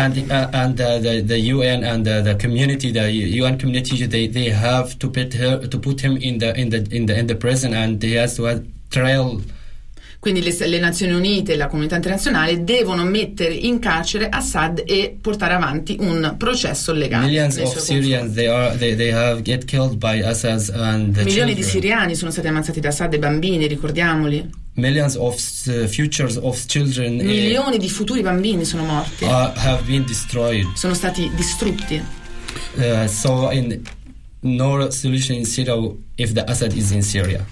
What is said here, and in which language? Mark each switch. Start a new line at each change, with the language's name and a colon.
English: And the UN and the community, the UN community, they have to put him in the prison, and he has to have trial.
Italian: Quindi le Nazioni Unite e la comunità internazionale devono mettere in carcere Assad e portare avanti un processo legale.
English: Millions of Syrians they have get killed by Assad and the
Italian: milioni
English: children.
Italian: Di siriani sono stati ammazzati da Assad e bambini, ricordiamoli.
English: Millions of futures of children.
Italian: Milioni di futuri bambini sono morti.
English: Have been destroyed.
Italian: Sono stati distrutti.
English: So in no solution in Syria if the Assad is in Syria.